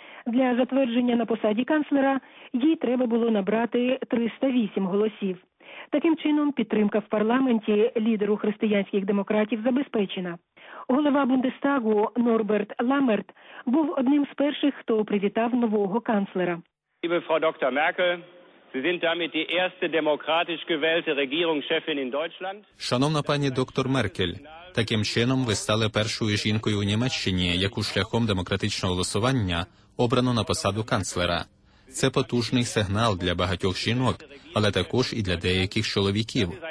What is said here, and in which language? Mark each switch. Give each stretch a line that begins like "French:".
Ukrainian: Для затвердження на посаді канцлера їй треба було набрати 308 голосів. Таким чином підтримка в парламенті лідеру християнських демократів забезпечена. Голова Бундестагу Норберт Ламмерт був одним з перших, хто привітав нового канцлера.
German: Liebe Frau Dr. Merkel, Sie sind damit die erste demokratisch gewählte Regierungschefin in Deutschland.
Ukrainian: Шановна пані доктор Меркель, таким чином ви стали першою жінкою у Німеччині, яку шляхом демократичного голосування обрано на посаду канцлера. Це потужний сигнал для багатьох жінок, але також і для деяких чоловіків.